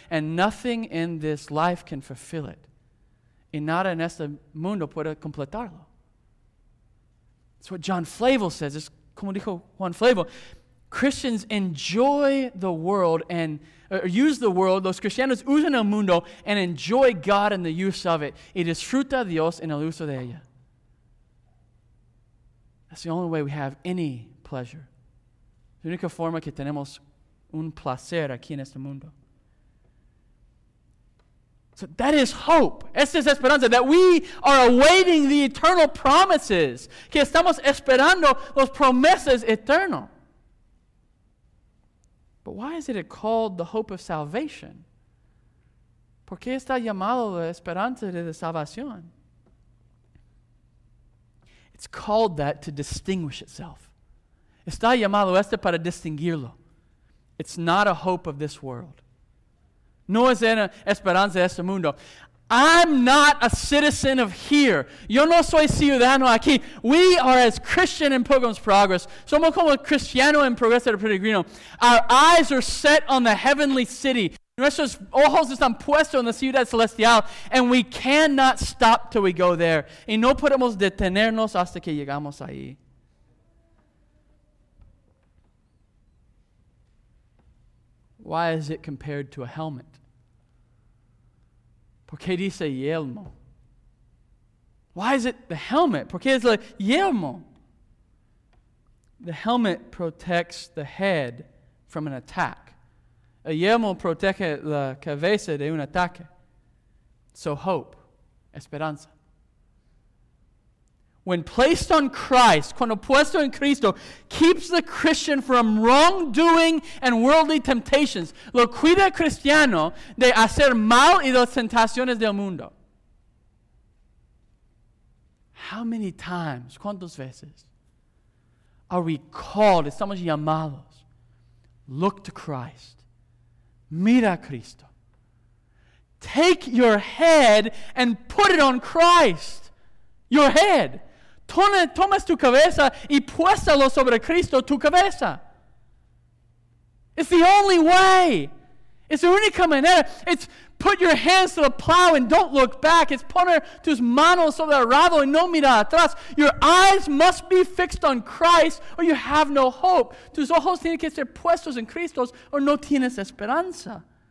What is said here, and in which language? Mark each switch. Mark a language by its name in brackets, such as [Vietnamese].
[English] And nothing in this life can fulfill it. [Spanish] Y nada en este mundo puede completarlo. [English] It's what John Flavel says. It's [Spanish] como dijo Juan Flavel. [English] Christians enjoy the world and use the world. [Spanish] Los cristianos usan el mundo [English] and enjoy God in the use of it. [Spanish] Y disfruta Dios en el uso de ella. [English] That's the only way we have any pleasure. [Spanish] La única forma que tenemos un placer aquí en este mundo. [English] So that is hope. [Spanish] Esta es esperanza. [English] That we are awaiting the eternal promises. [Spanish] Que estamos esperando las promesas eternas. [English] But why is it called the hope of salvation? [Spanish] ¿Por qué está llamado la esperanza de la salvación? [English] It's called that to distinguish itself. [Spanish] Está llamado esto para distinguirlo. [English] It's not a hope of this world. [Spanish] No es una esperanza de este mundo. [English] I'm not a citizen of here. [Spanish] Yo no soy ciudadano aquí. [English] We are as Christian in Pilgrim's Progress. [Spanish] Somos como cristiano en Progreso de Peregrino. [English] Our eyes are set on the heavenly city. [Spanish] Nuestros ojos están puestos en la ciudad celestial. [English] And we cannot stop till we go there. [Spanish] Y no podemos detenernos hasta que llegamos ahí. [English] Why is it compared to a helmet? [Spanish] ¿Por qué dice yelmo? [English] Why is it the helmet? [Spanish] ¿Por qué es la yelmo? [English] The helmet protects the head from an attack. [Spanish] A yelmo protege la cabeza de un ataque. [English] So hope, [Spanish] esperanza. [English] When placed on Christ, [Spanish] cuando puesto en Cristo, [English] keeps the Christian from wrongdoing and worldly temptations. [Spanish] Lo cuida el cristiano de hacer mal y de las tentaciones del mundo. [English] How many times, [Spanish] cuántas veces, [English] are we called, [Spanish] estamos llamados, [English] look to Christ, [Spanish] mira a Cristo, [English] take your head and put it on Christ, your head. [Spanish] Tomas tu cabeza y puéstalo sobre Cristo, tu cabeza. [English] It's the only way. [Spanish] Es la única manera. [English] It's put your hands to the plow and don't look back. It's [Spanish] poner tus manos sobre el arado y no mirar atrás. [English] Your eyes must be fixed on Christ or you have no hope. [Spanish] Tus ojos tienen que ser puestos en Cristo o no tienes esperanza.